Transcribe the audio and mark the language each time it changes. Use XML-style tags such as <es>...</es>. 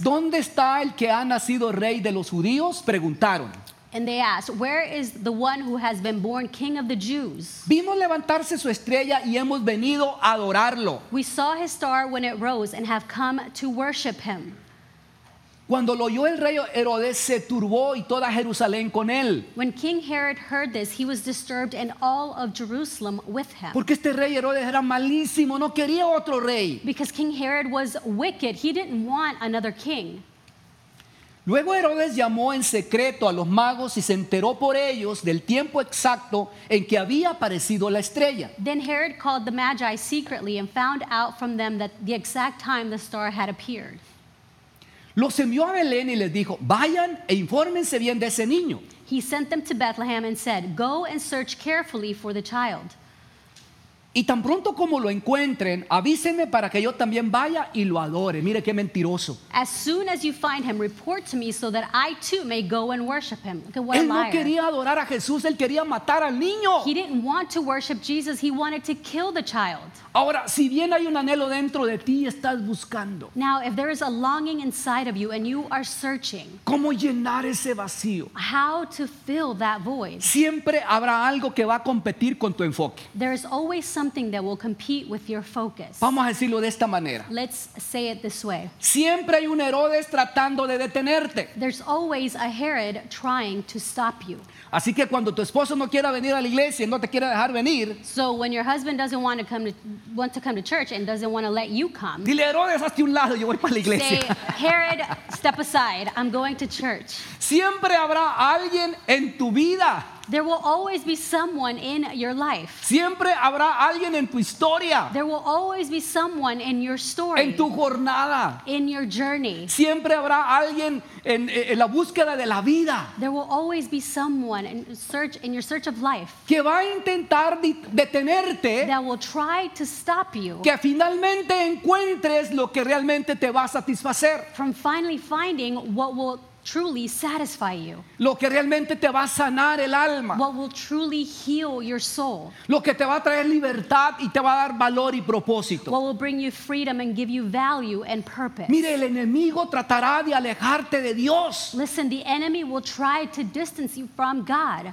<es>¿Dónde está el que ha nacido rey de los judíos? Preguntaron.</es> <en>And they asked, where is the one who has been born king of the Jews?</en> <es>Vimos levantarse su estrella y hemos venido a adorarlo.</es> <en>We saw his star when it rose and have come to worship him.</en> <es>Cuando lo oyó el rey Herodes, se turbó y toda Jerusalén con él.</es> <en>When King Herod heard this, he was disturbed and all of Jerusalem with him.</en> <es>Porque este rey Herodes era malísimo, no quería otro rey.</es> <en>Because King Herod was wicked, he didn't want another king.</en> <es>Luego Herodes llamó en secreto a los magos y se enteró por ellos del tiempo exacto en que había aparecido la estrella.</es> <en>Then Herod called the Magi secretly and found out from them that the exact time the star had appeared.</en> <es>Los envió a Belén y les dijo, vayan e infórmense bien de ese niño.</es> <en>He sent them to Bethlehem and said, go and search carefully for the child.</en> <es>Y tan pronto como lo encuentren, avísenme para que yo también vaya y lo adore. Mire qué mentiroso.</es> <en>As soon as you find him, report to me so that I too may go and worship him. Look at what</en> <es>él</es> <en>a liar.</en> <es>Él no quería adorar a Jesús, él quería matar al niño.</es> <en>He didn't want to worship Jesus, he wanted to kill the child.</en> <es>Ahora, si bien hay un anhelo dentro de ti, estás buscando.</es> <en>Now, if there is a longing inside of you and you are searching.</en> <es>¿Cómo llenar ese vacío?</es> <en>How to fill that void.</en> <es>Siempre habrá algo que va a competir con tu enfoque.</es> <en>There is always something that will compete with your focus.</en> <es>Vamos a decirlo de esta manera.</es> <en>Let's say it this way.</en> <es>Siempre hay un Herodes tratando de detenerte.</es> <en>There's always a Herod trying to stop you.</en> <es>Así que cuando tu esposo no quiera venir a la iglesia y no te quiera dejar venir,</es> <en>so when your husband doesn't want to come to church and doesn't want to let you come,</en> <es>dile, Herodes, hazte un lado, yo voy para la iglesia.</es> <en>Say, Herod, step aside, I'm going to church.</en> <es>Siempre habrá alguien en tu vida.</es> <en>There will always be someone in your life.</en> <es>Siempre habrá alguien en tu historia.</es> <en>There will always be someone in your story.</en> <es>En tu jornada.</es> <en>In your journey.</en> <es>Siempre habrá alguien en la búsqueda de la vida.</es> <en>There will always be someone in your search of life.</en> <es>Que va a intentar detenerte.</es> <en>That will try to stop you.</en> <es>Que finalmente encuentres lo que realmente te va a satisfacer.</es> <en>From finally finding what will truly satisfy you.</en> <es>Lo que realmente te va a sanar el alma.</es> <en>What will truly heal your soul.</en> <es>Lo que te va a traer libertad y te va a dar valor y propósito.</es> <en>What will bring you freedom and give you value and purpose.</en> <es>Mire, el enemigo tratará de alejarte de Dios.</es> <en>Listen, the enemy will try to distance you from God.</en>